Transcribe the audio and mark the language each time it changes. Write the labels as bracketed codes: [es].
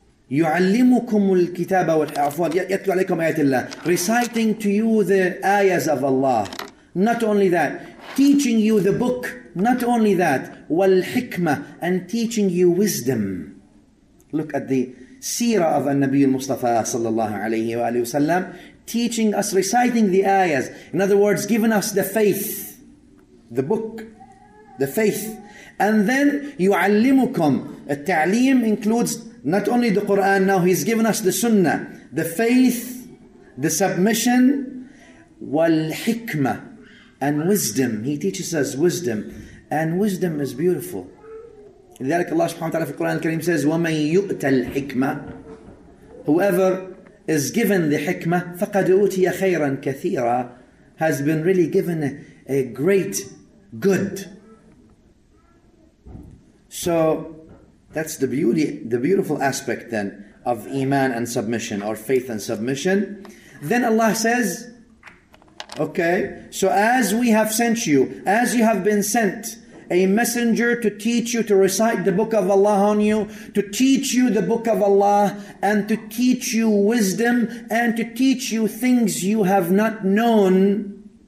[ar] يعلمكم الكتاب والحفظ يتلو عليكم آيات الله, [en] reciting to you the ayahs of Allah. Not only that, teaching you the book. Not only that, والحكمة, and teaching you wisdom. Look at the seerah of النبي المصطفى صلى الله عليه وآله وسلم. Teaching us, reciting the ayahs. In other words, giving us the faith, the book, the faith. And then, يُعَلِّمُكُمْ. التَّعْلِيم includes not only the Qur'an, now he's given us the sunnah, the faith, the submission, وَالْحِكْمَةِ, and wisdom. He teaches us wisdom. And wisdom is beautiful. [ar] لذلك الله سبحانه وتعالى في القرآن الكريم says, وَمَنْ يُؤْتَ الْحِكْمَةِ, [en] whoever is given the hikmah, [ar] فَقَدْ أُوْتِيَ خَيْرًا كَثِيرًا, [en] has been really given a great good. So that's the beauty, the beautiful aspect then of iman and submission, or faith and submission. Then Allah says, okay, so as we have sent you, as you have been sent, a messenger to teach you, to recite the book of Allah on you, to teach you the book of Allah, and to teach you wisdom, and to teach you things you have not known.